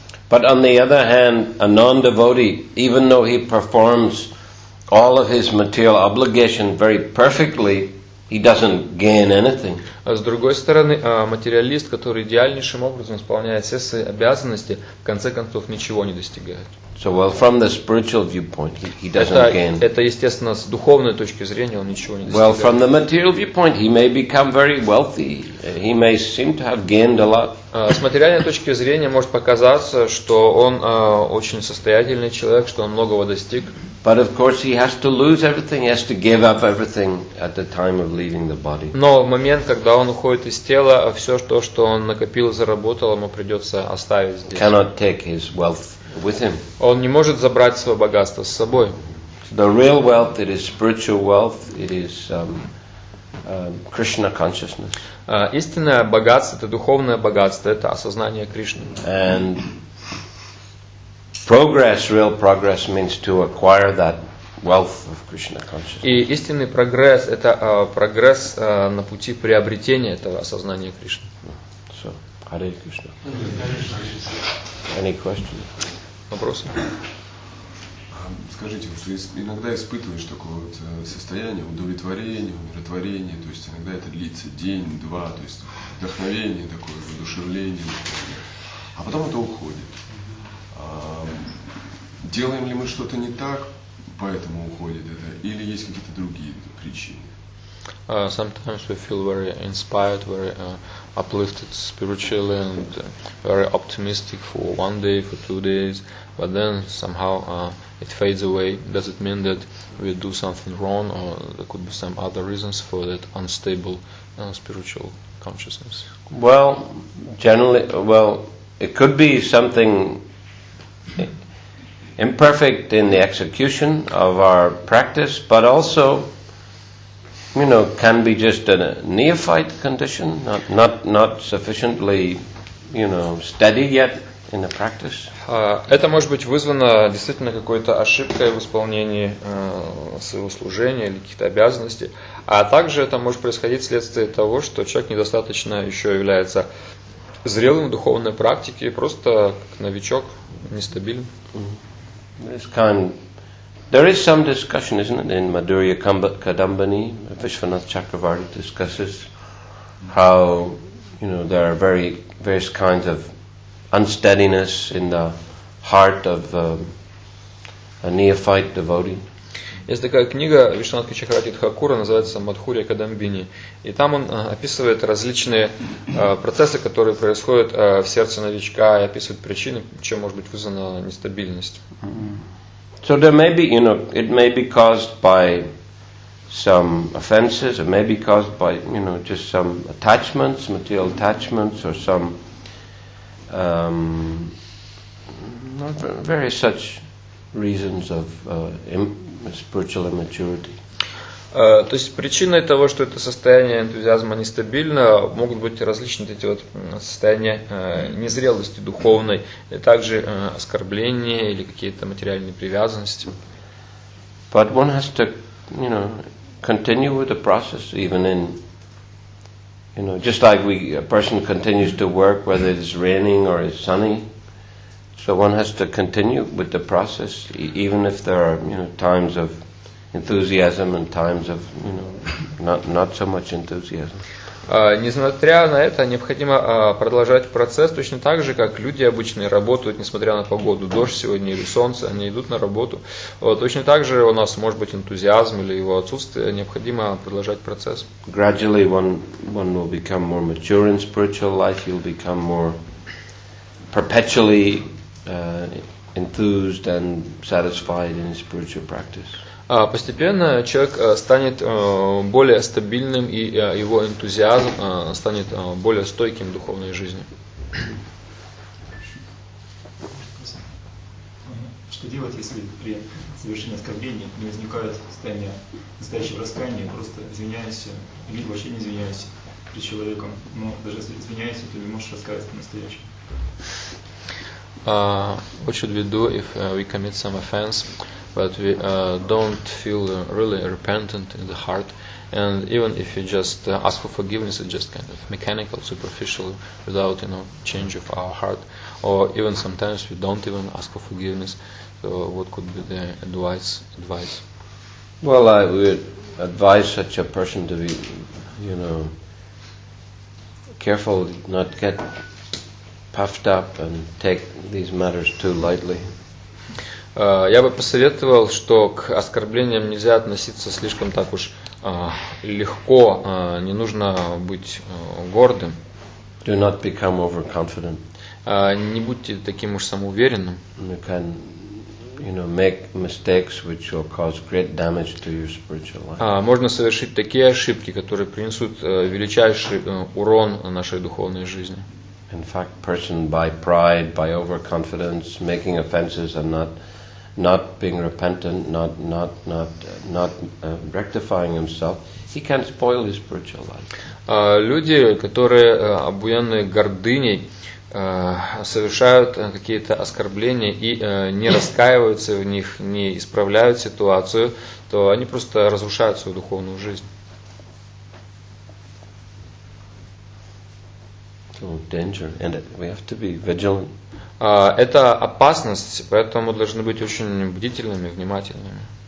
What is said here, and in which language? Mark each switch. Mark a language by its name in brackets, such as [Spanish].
[English] But on the other hand, a non-devotee, even though he performs all of his material obligation very perfectly, he doesn't gain anything. [Russian] С другой стороны, материалист, который идеальнейшим образом исполняет все свои обязанности, в конце концов ничего не достигает. [English] So, well, from the spiritual viewpoint, he doesn't gain. [Russian] Это естественно с духовной точки зрения он ничего не достигает. [English] Well, from the material viewpoint, he may become very wealthy. He may seem to have gained a lot. [Russian] С материальной точки зрения может показаться, что он очень состоятельный человек, что он многого достиг. [English] But of course, he has to lose everything. He has to give up everything at the time of leaving the body. [Russian] Но в момент, когда он уходит из тела, все то, что он накопил, заработал, ему придется оставить здесь. [English] Cannot take his wealth with him. [Russian] Он не может забрать свое богатство с собой. [English] The real wealth, it is spiritual wealth, it is Krishna consciousness. [Russian] Истинное богатство, это духовное богатство, это осознание Кришны. [English] And progress, real progress, means to acquire that wealth of Krishna consciousness. [Russian] И истинный прогресс, это прогресс на пути приобретения этого осознания Кришны. [English] So, Hare Krishna. Any questions? [Russian] Вопросы? Скажите, вот иногда испытываешь такое вот состояние удовлетворения, умиротворения, то есть иногда это длится день-два, то есть вдохновение такое, воодушевление, например. А потом это уходит. Делаем ли мы что-то не так, поэтому уходит это, или есть какие-то другие причины? [English] Sometimes we feel very inspired, very uplifted spiritually and very optimistic for one day, for 2 days, but then somehow it fades away. Does it mean that we do something wrong, or there could be some other reasons for that unstable spiritual consciousness? Well, generally, well, it could be something imperfect in the execution of our practice, but also, you know, can be just a neophyte condition, not sufficiently, you know, steady yet in the practice. [Russian] Это может быть вызвано действительно какой-то ошибкой в исполнении своего служения или каких-то обязанностей, а также это может происходить вследствие того, что человек недостаточно еще является зрелым в духовной практике, просто как новичок, нестабилен. [English] There is some discussion, isn't it, in Madhurya Kadambani? Vishwanath Chakravarti discusses how, you know, there are very various kinds of unsteadiness in the heart of a neophyte devotee. [Russian] Есть такая книга Вишванатхи Чакравартии Тхакура, называется «Мадхурья Кадамбини». И там он описывает различные процессы, которые происходят в сердце новичка, и описывает причины, чем может быть вызвана нестабильность. Mm-hmm. [English] So there may be, you know, it may be caused by some offenses, it may be caused by, you know, just some attachments, material attachments, or some various such reasons of spiritual immaturity. [Russian] То есть причиной того, что это состояние энтузиазма нестабильно, могут быть различные эти вот состояния незрелости духовной, и также оскорбления или какие-то материальные привязанности. [English] But one has to, you know, continue with the process even in, you know, just like we, a person continues to work whether it's raining or it's sunny. So one has to continue with the process even if there are, you know, times of enthusiasm and times of, you know, not so much enthusiasm. [Russian] Несмотря на это, необходимо продолжать процесс точно так же, как люди обычно работают, несмотря на погоду, дождь сегодня или солнце, они идут на работу. Точно так же у нас может быть энтузиазм или его отсутствие, необходимо продолжать процесс. [English] Gradually one will become more mature in spiritual life, you'll become more perpetually enthused and satisfied in spiritual practice. [Russian] Постепенно человек станет более стабильным, и его энтузиазм станет более стойким в духовной жизни. Что делать, если при совершении оскорбления не возникает состояние настоящего раскаяния, просто извиняешься, или вообще не извиняешься перед человеком, но даже если извиняешься, то не можешь раскаяться по-настоящему? [English] What should we do if we commit some offense? But we don't feel really repentant in the heart, and even if you just ask for forgiveness, it's just kind of mechanical, superficial, without, you know, change of our heart. Or even sometimes we don't even ask for forgiveness. So what could be the advice? Well, I would advise such a person to be, you know, careful, not get puffed up and take these matters too lightly. [Russian] Я бы посоветовал, что к оскорблениям нельзя относиться слишком так уж легко, не нужно быть гордым. [English] Do not become overconfident. [Russian] Не будьте таким уж самоуверенным. [English] You can, you know, make mistakes which will cause great damage to your spiritual life. [Russian] Можно совершить такие ошибки, которые принесут величайший урон нашей духовной жизни. [English] In fact, person by pride, by overconfidence, making offenses and not being repentant, not rectifying himself, he can spoil his spiritual life. [Russian] Люди, которые обуянные гордыней, совершают какие-то оскорбления и не раскаиваются в них, не исправляют ситуацию, то они просто разрушают свою духовную жизнь. [English] So danger, and we have to be vigilant. [Russian] Это опасность, поэтому должны быть очень бдительными, внимательными.